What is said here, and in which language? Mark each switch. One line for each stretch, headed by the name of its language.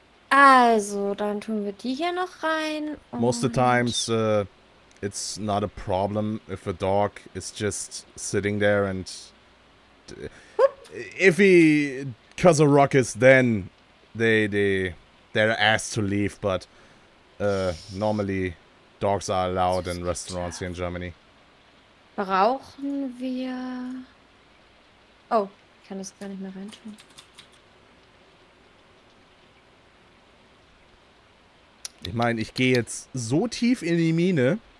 German: Also, dann tun wir die hier noch rein.
English: Most of the times, it's not a problem if a dog is just sitting there and... if he... cause a ruckus, then they're asked to leave, but normally dogs are allowed in restaurants here in Germany.
German: Brauchen wir... Oh, ich kann das gar nicht mehr reintun. Ich meine, ich gehe jetzt so tief in die Mine.